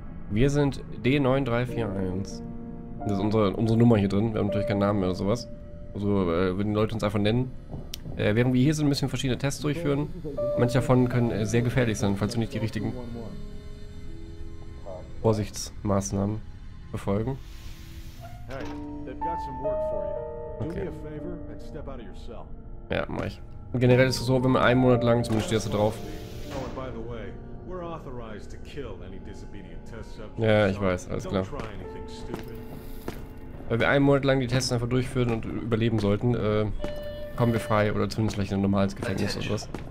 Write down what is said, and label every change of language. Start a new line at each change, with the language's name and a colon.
German: Wir sind D9341. Das ist unsere Nummer hier drin, wir haben natürlich keinen Namen mehr oder sowas. Also würden die Leute uns einfach nennen. Während wir hier sind, müssen wir verschiedene Tests durchführen. Manche davon können sehr gefährlich sein, falls wir nicht die richtigen Vorsichtsmaßnahmen befolgen.
English: Hey, they've got some work for you. Do me a favor and step out of your cell.
German: Ja, mach ich. Generell ist es so, wenn man einen Monat lang, zumindest steht das drauf.
English: Oh, and by the way, we're authorized to kill any disobedient test subjects.
German: Ja, ich weiß, alles klar.
English: Don't try anything stupid.
German: Weil wir einen Monat lang die Tests einfach durchführen und überleben sollten, kommen wir frei oder zumindest vielleicht in ein normales Gefängnis oder was.